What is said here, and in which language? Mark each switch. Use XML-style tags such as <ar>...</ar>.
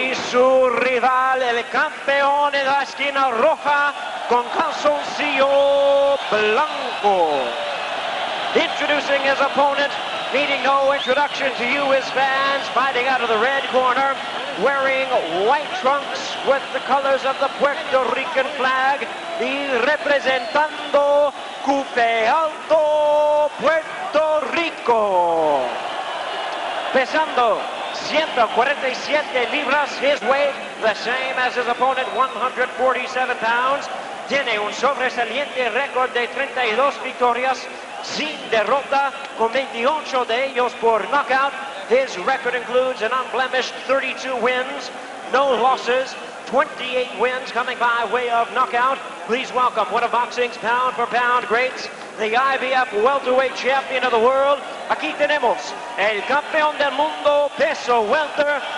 <es>Su rival, el campeón en la esquina roja, con calzoncillo blanco.</es> <en>Introducing his opponent, needing no introduction to you, his fans, fighting out of the red corner, wearing white trunks with the colors of the Puerto Rican flag,</en> <es>y representando</es> <en>Cupe Alto, Puerto Rico.</en> <es>Pesando 147 libras,</es> <en>his weight, the same as his opponent, 147 pounds.</en> <es>Tiene un sobresaliente record de 32 victorias, sin derrota, con 28 de ellos por knockout.</es> <en>His record includes an unblemished 32 wins, no losses, 28 wins coming by way of knockout. Please welcome one of boxing's pound-for-pound greats, the IBF welterweight champion of the world.</en> <es>Aquí tenemos el campeón del mundo peso welter.</es>